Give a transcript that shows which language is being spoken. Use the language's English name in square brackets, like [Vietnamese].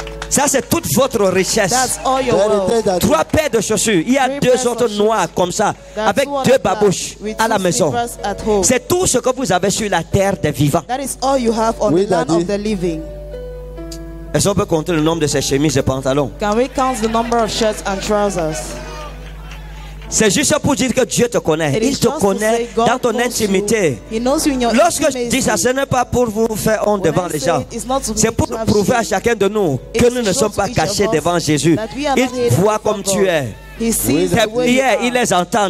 [French] Ça, c'est toute votre richesse. [English] That's all your wealth. [French] 3 paires de chaussures. Il y a 2 autres noires comme ça. [English] That's [French] avec 2 babouches à la maison. C'est tout ce que vous avez sur la terre des vivants. [English] That is all you have on, [French] oui, [English] the land of the living. [French] Est-ce qu'on peut compter le nombre de ces chemises et pantalons? [English] Can we count the number of shirts and trousers? [French] C'est juste pour dire que Dieu te connaît. Il te connaît dans ton intimité. Lorsque je dis ça, ce n'est pas pour vous faire honte devant les gens. C'est pour prouver à chacun de nous que nous ne sommes pas cachés devant Jésus. Il voit comme tu es. Tes prières, il les entend.